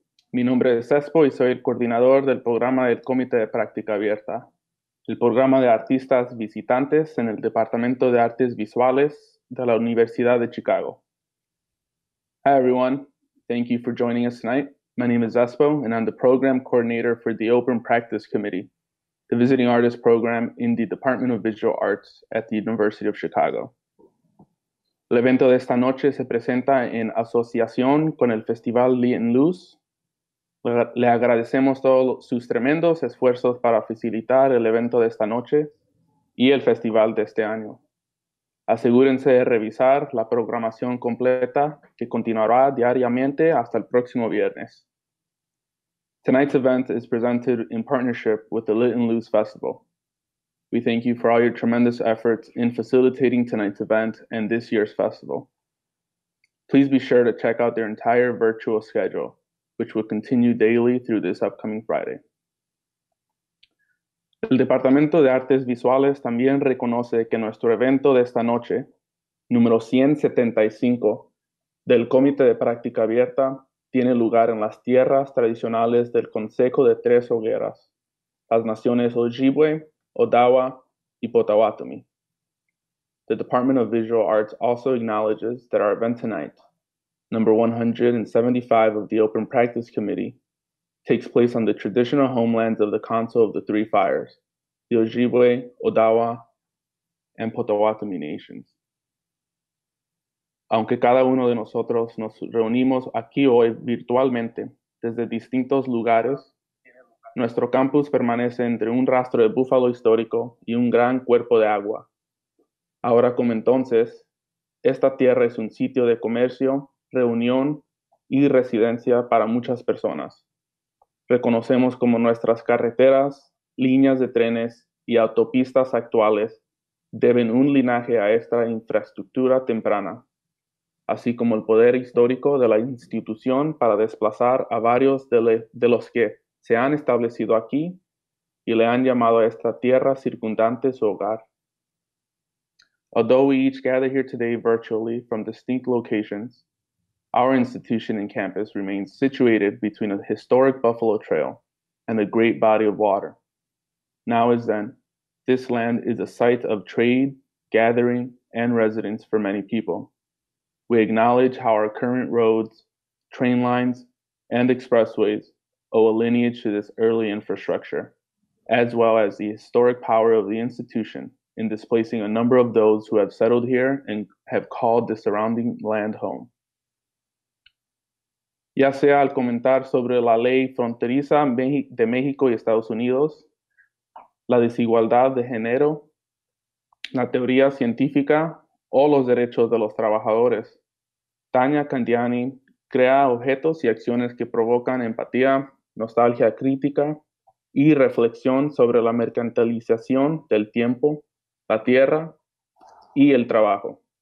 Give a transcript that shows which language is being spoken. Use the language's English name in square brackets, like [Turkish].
[Spanish] Mi nombre es Espo y soy el coordinador del programa del Comité de Práctica Abierta, el programa de artistas visitantes en el Departamento de Artes Visuales de la Universidad de Chicago. [English] Hi everyone, thank you for joining us tonight. My name is Espo and I'm the program coordinator for the Open Practice Committee, the visiting artist program in the Department of Visual Arts at the University of Chicago. [Spanish] El evento de esta noche se presenta en asociación con el Festival Lit Luz. Le agradecemos todos sus tremendos esfuerzos para facilitar el evento de esta noche y el festival de este año. Asegúrense de revisar la programación completa que continuará diariamente hasta el próximo viernes. [English] Tonight's event is presented in partnership with the Lit Luz Festival. We thank you for all your tremendous efforts in facilitating tonight's event and this year's festival. Please be sure to check out their entire virtual schedule, which will continue daily through this upcoming Friday. [Spanish] El Departamento de Artes Visuales también reconoce que nuestro evento de esta noche, número 175, del Comité de Práctica Abierta, tiene lugar en las tierras tradicionales del Consejo de Tres Hogueras, las Naciones Ojibwe, Odawa, [English] and [Spanish] Potawatomi. [English] The Department of Visual Arts also acknowledges that our event tonight, number 175 of the Open Practice Committee, takes place on the traditional homelands of the Council of the Three Fires, the Ojibwe, Odawa, and Potawatomi nations. [Spanish] Aunque cada uno de nosotros nos reunimos aquí hoy virtualmente desde distintos lugares, nuestro campus permanece entre un rastro de búfalo histórico y un gran cuerpo de agua. Ahora como entonces, esta tierra es un sitio de comercio, reunión y residencia para muchas personas. Reconocemos como nuestras carreteras, líneas de trenes y autopistas actuales deben un linaje a esta infraestructura temprana, así como el poder histórico de la institución para desplazar a varios de los que se han establecido aquí y le han llamado a esta tierra circundante su hogar. [English] Although we each gather here today virtually from distinct locations, our institution and campus remains situated between a historic Buffalo Trail and a great body of water. Now as then, this land is a site of trade, gathering, and residence for many people. We acknowledge how our current roads, train lines, and expressways owe a lineage to this early infrastructure, as well as the historic power of the institution in displacing a number of those who have settled here and have called the surrounding land home. [Spanish] Ya sea al comentar sobre la ley fronteriza de México y Estados Unidos, la desigualdad de género, la teoría científica o los derechos de los trabajadores, Tania Candiani crea objetos y acciones que provocan empatía, nostalgia crítica y reflexión sobre la mercantilización del tiempo, la tierra y el trabajo.